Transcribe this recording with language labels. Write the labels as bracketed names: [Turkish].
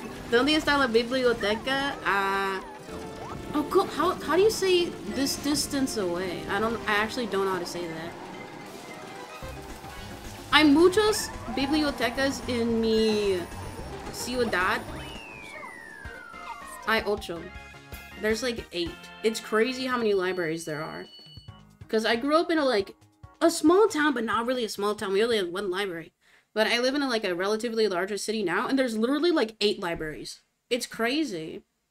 [Spanish] ¿Dónde está la biblioteca? [English] Oh, cool. How do you say this distance away? I actually don't know how to say that. [Spanish] Hay muchas bibliotecas en mi ciudad. Hay ocho. [English] There's like eight. It's crazy how many libraries there are. Because I grew up in a like a small town, but not really a small town. We only had one library. But I live in a, like a relatively larger city now, and there's literally like eight libraries. It's crazy.